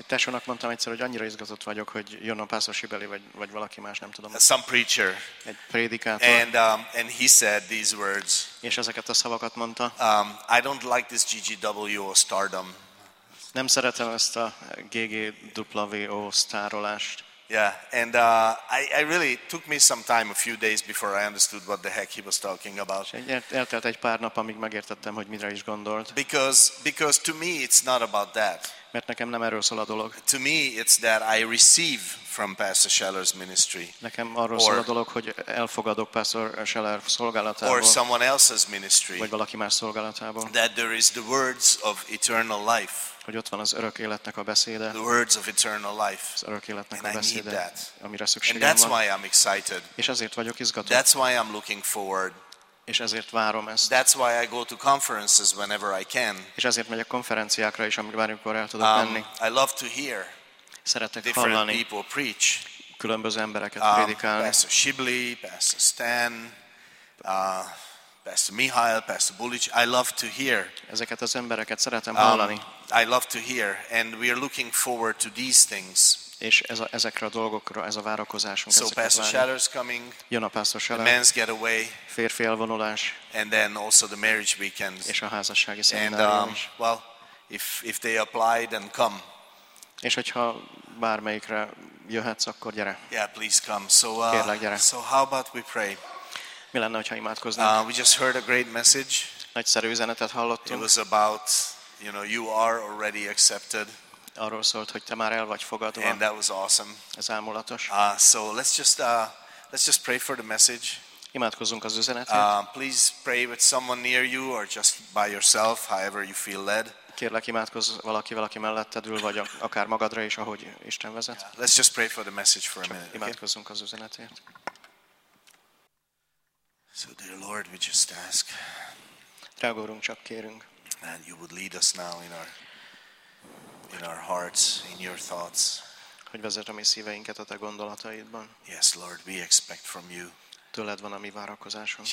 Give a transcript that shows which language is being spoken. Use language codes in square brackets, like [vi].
[hu] Tesónak mondtam egyszer, hogy annyira izgatott vagyok, hogy jön a Pastor Shibeli vagy valaki más, nem tudom. [en] Some preacher. [hu] Egy prédikátor. [en] And he said these words. [hu] És ezeket a szavakat mondta. [en] I don't like this GGW or stardom. [hu] Nem szeretem ezt a GGWO sztárolást. [en] Yeah, and I really took me some time, a few days before I understood what the heck he was talking about. [hu] Eltelt egy pár nap, amíg megértettem, hogy mire is gondolt. [en] Because to me it's not about that. [hu] Mert nekem nem erről szól a dolog. [en] To me it's that I receive from Pastor Scheller's ministry. [hu] Nekem arról szól a dolog, hogy elfogadok Pastor Scheller szolgálatából. [en] Or someone else's ministry. [hu] Vagy valaki más szolgálatából. [en] That there is the words of eternal life. [hu] Hogy ott van az örök életnek a beszéde. [en] The words of eternal life. [hu] Az örök életnek a beszéde, amire szükségem van. [en] And that's why I'm excited. [hu] És ezért vagyok izgatott. [en] That's why I'm looking forward. [hu] És ezért várom ezt. [en] That's why I go to conferences whenever I can. [hu] És ezért megyek konferenciákra is, amikor bármikor el tudok menni. [en] I love to hear. [hu] Szeretek [en] different [hu] hallani. [en] Different people preach. [hu] Különböző embereket prédikálni. [en] Pastor Shibley, Pastor Stan, Pastor Mihail, Pastor Bulic, I love to hear. [hu] Ezeket az embereket szeretem hallani. [en] I love to hear, and we are looking forward to these things. [hu] És ezekre a dolgokra, ez a várakozásunk. [en] So Pastor Scheller is coming. [hu] Jön a Pastor Scheller. [en] The men's getaway. [hu] Férfi elvonulás. [en] And then also the marriage weekend. [hu] És a házassági szemináriumos. [en] And well, if they apply, then come. [hu] És hogyha bármelyikre jöhetsz, akkor gyere. [en] Yeah, please come. So [hu] kérlek, gyere. [en] So how about we pray? [hu] Mi lenne, hogyha imádkoznánk? [en] We just heard a great message. [hu] Nagyszerű üzenetet hallottunk. [en] It was about, you know, you are already accepted. [hu] Arról szólt, hogy te már el vagy fogadva. [en] And that was awesome. [hu] Ez álmulatos. [en] So let's just pray for the message. [hu] Imádkozzunk az üzenetért. [en] Please pray with someone near you or just by yourself, however you feel led. [hu] Kérlek, imádkozz valaki melletted ül, vagy akár magadra is, ahogy Isten vezet. [en] Yeah, let's just pray for the message for a minute. [hu] Imádkozzunk az üzenetért. [en] So dear Lord, we just ask that you would lead us now in our hearts, in your thoughts. [hu] Hogy vezet a mi szíveinket a te gondolataidban. [en] Yes, Lord, we expect from you. [hu] Tőled van a mi várakozásunk.